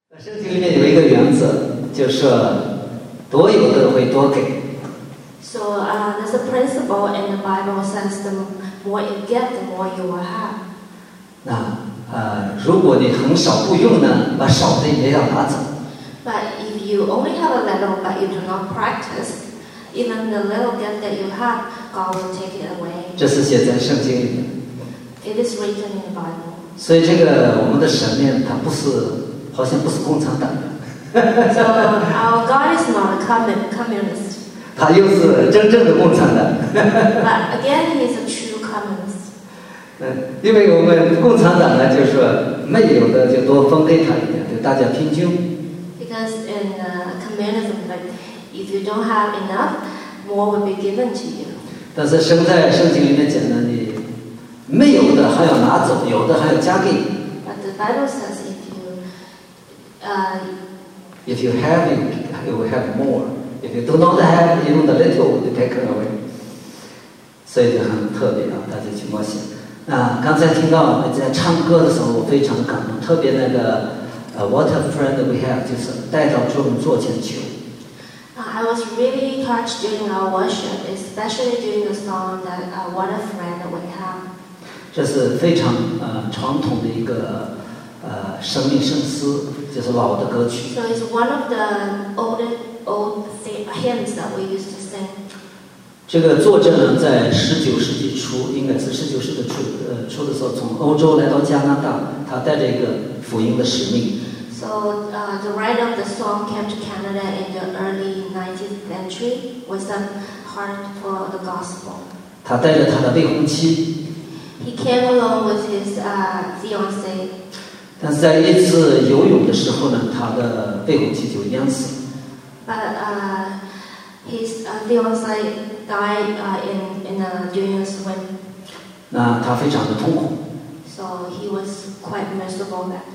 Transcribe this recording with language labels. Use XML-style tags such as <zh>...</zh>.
<zh>圣经里面有一个原则，就是多有的会多给。</zh> <en>So, there's a principle in the Bible says the more you get, the more you will have.</en> <zh>那如果你很少不用呢，把少的也要拿走。</zh> <en>But if you only have a little, but you do not practice, even the little gift that you have, God will take it away.</en> <zh>这是写在圣经里面。</zh> <en>It is written in the Bible.</en> <zh>所以这个我们的神面，它不是好像不是共产党的。</zh> <en>So our God is not a communist.</en> <zh>他又是真正的共产党。</zh> <en>But again, he is a true communist.</en> <zh>因为我们共产党呢，就是没有的就多分给他一点，就大家平均。</zh> <en>Because in communism, like if you don't have enough, more will be given to you.</en> <zh>但是生在圣经里面讲的，你没有的还要拿走，有的还要加给。</zh> <en>But the Bible says if you have it, you will have more. If you do not have, even the little will be taken away.</en> <zh>所以就很特别啊，大家去默想。那刚才听到在唱歌的时候，我非常感动，特别那个。</zh> <en>What a friend we have,</en> <zh>就是带到众人座前求。</zh> <en>I was really touched during our worship, especially during the song that what a friend we have.</en> <zh>这是非常传统的一个生命圣诗，就是老的歌曲。</zh> <en>So it's one of the old hymns that we used to sing.</en> <zh>这个作者呢，在19世纪初，应该是19世纪初初的时候，从欧洲来到加拿大，他带着一个福音的使命。</zh> <en>So, the writer of the song came to Canada in the early 19th century with a heart for the gospel.</en> <zh>他带着他的未婚妻。</zh> <en>He came along with his fiance.</en> <zh>但是在一次游泳的时候呢，他的未婚妻就淹死。</zh> <en>But his fiance died in a junior swim.</en> <zh>那他非常的痛苦。</zh> <en>So he was quite miserable then.</en>